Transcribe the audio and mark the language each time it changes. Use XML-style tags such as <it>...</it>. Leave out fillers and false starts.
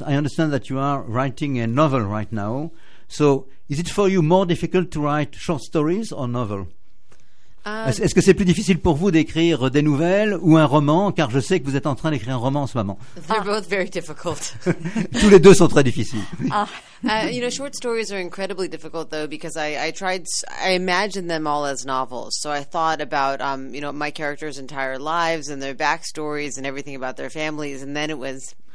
<en>I understand that you are writing a novel right now. So, is it for you more difficult to write short stories or novel?</en> <fr>Est-ce que c'est plus difficile pour vous d'écrire des nouvelles ou un roman? Car je sais que vous êtes en train d'écrire un roman en ce moment.</fr> <en>They're both very difficult.</en> <fr>Tous les deux sont très difficiles.</fr> <en>You know, short stories are incredibly difficult though because I imagined them all as novels. So I thought about you know, my characters' entire lives and their backstories and everything about their families, and then it was.</en>